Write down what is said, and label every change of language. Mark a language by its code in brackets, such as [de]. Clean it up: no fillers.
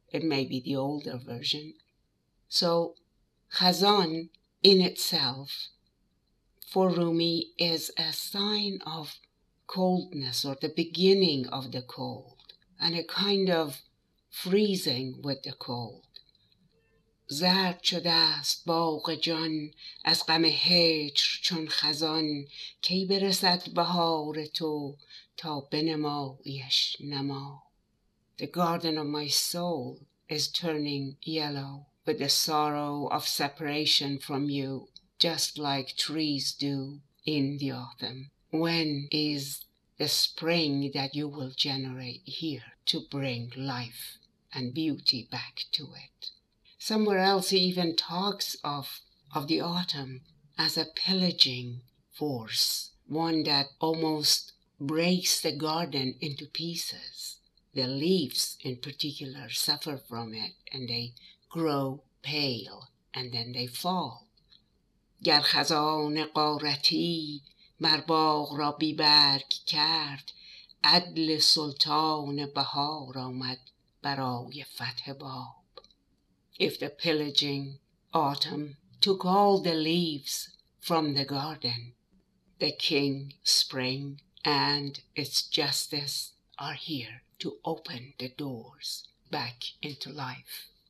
[en] It may be the older version. So Khazan in itself, for Rumi, is a sign of coldness or the beginning of the cold and a kind of freezing with the cold. [fa] زرد شده است باغ جان از غم هجر چون خزان کی برسد بهار تو تا بنماییش نما. [en] The garden of my soul is turning yellow with the sorrow of separation from you, just like trees do in the autumn. When is the spring that you will generate here to bring life and beauty back to it? Somewhere else he even talks of the autumn as a pillaging force, one that almost breaks the garden into pieces. The leaves in particular suffer from it and they grow pale and then they fall. [fa] گر خزان قارتی مر باغ را بی برگ کرد عدل سلطان بهار آمد برای فتح باب. [en] If the pillaging autumn took all the leaves from the garden, the king spring and its justice are here to open the doors back into life.